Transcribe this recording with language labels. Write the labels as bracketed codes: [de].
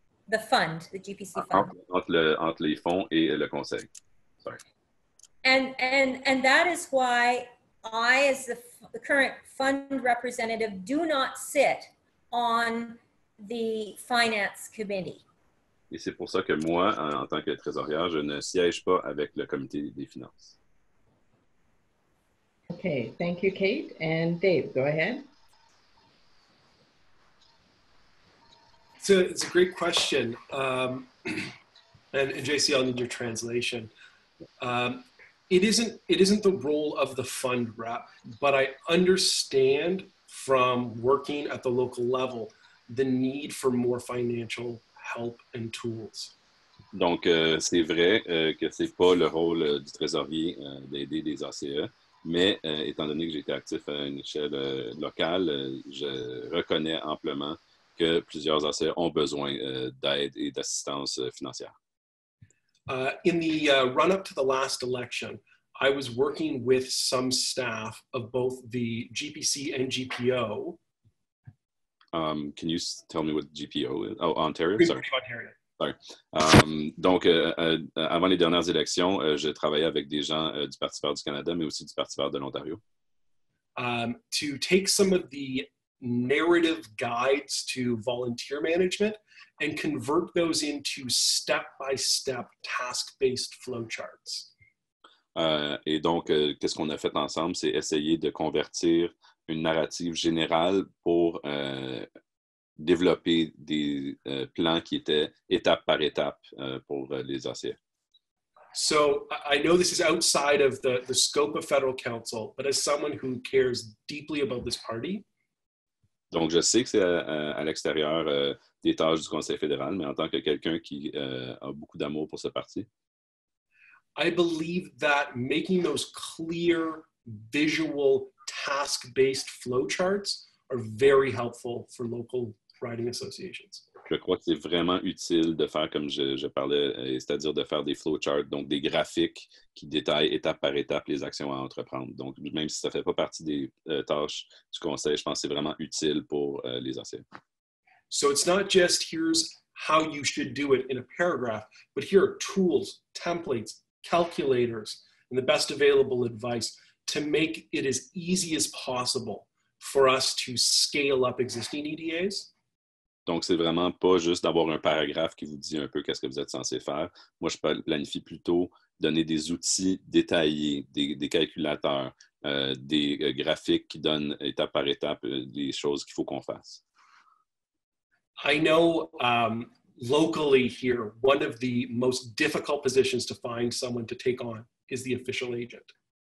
[en] The fund, the GPC fund. [fr] Entre les fonds et le conseil. [en] Sorry. And that is why I, as the current fund representative, do not sit on the finance committee. [fr] Et c'est pour ça que moi, en tant que trésorier, je ne siège pas avec le comité des finances. [en] Okay, thank you, Kate. And Dave, go ahead. So it's a great question. And JC, I'll need your translation. It isn't the role of the fund rep, but I understand from working at the local level the need for more financial help and tools. [fr] Donc, c'est vrai que c'est pas le rôle du trésorier d'aider les ACE. Mais étant donné que j'étais actif à une échelle locale, je reconnais amplement que plusieurs ACE ont besoin d'aide et d'assistance financière. [en] In the run-up to the last election, I was working with some staff of both the GPC and GPO. Can you tell me what GPO is? Oh, Ontario? Sorry. Ontario. Sorry. [fr] Donc, avant les dernières élections, je travaillais avec des gens du Parti vert du Canada, mais aussi du Parti vert de l'Ontario. [en] To take some of the narrative guides to volunteer management and convert those into step-by-step task-based flowcharts. [fr] Et donc, qu'est-ce qu'on a fait ensemble? C'est essayer de convertir une narrative générale pour développer des plans qui étaient étape par étape pour les ACE. [en] So, I know this is outside of the scope of federal council, but as someone who cares deeply about this party. [fr] Donc, je sais que c'est à l'extérieur des tâches du Conseil fédéral, mais en tant que quelqu'un qui a beaucoup d'amour pour ce parti. [en] I believe that making those clear, visual, task-based flowcharts are very helpful for local riding associations. [fr] Je crois que c'est vraiment utile de faire comme je parlais, c'est-à-dire de faire des flowcharts, donc des graphiques qui détaillent étape par étape les actions à entreprendre. Donc, même si ça ne fait pas partie des tâches du conseil, je pense que c'est vraiment utile pour les anciens. [en] So it's not just here's how you should do it in a paragraph, but here are tools, templates, calculators, and the best available advice to make it as easy as possible for us to scale up existing EDAs. [fr] Donc, c'est vraiment pas juste d'avoir un paragraphe qui vous dit un peu qu'est-ce que vous êtes censé faire. Moi, je planifie plutôt donner des outils détaillés, des calculateurs, des graphiques qui donnent étape par étape les choses qu'il faut qu'on fasse. [en] I know locally here, one of the most difficult positions to find someone to take on is the official agent.